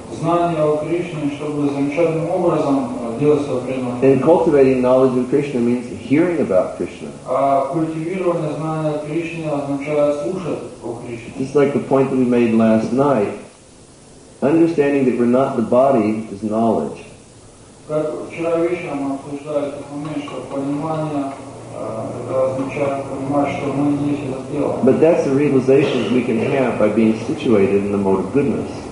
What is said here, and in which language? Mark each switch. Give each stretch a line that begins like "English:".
Russian: Знание о Кришне, чтобы замечательным образом делать свое преданное.
English: And cultivating knowledge of Krishna means hearing about Krishna.
Russian: А культивирование знания о Кришне означает слушать о Кришне.
English: Just like the point that we made last night, understanding that we're not the body is knowledge.
Russian: Как вчера вечером мы обсуждали этот момент, что понимание
English: but that's the realization we can have by being situated in the mode of goodness.